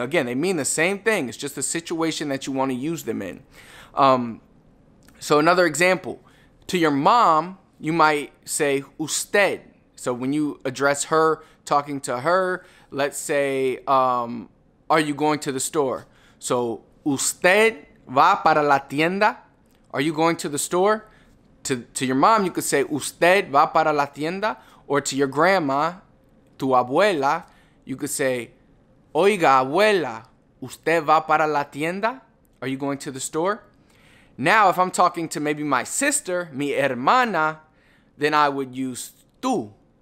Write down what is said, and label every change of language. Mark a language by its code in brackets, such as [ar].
[en] Again, they mean the same thing. It's just the situation that you want to use them in. So another example, to your mom, you might say usted. So when you address her, talking to her, let's say, are you going to the store? [es] So usted va para la tienda. [en] Are you going to the store? To your mom, you could say [es] usted va para la tienda. [en] Or to your grandma, [es] tu abuela, [en] you could say, [es] oiga, abuela, usted va para la tienda? [en] Are you going to the store? Now, if I'm talking to maybe my sister, [es] mi hermana, [en] then I would use tú.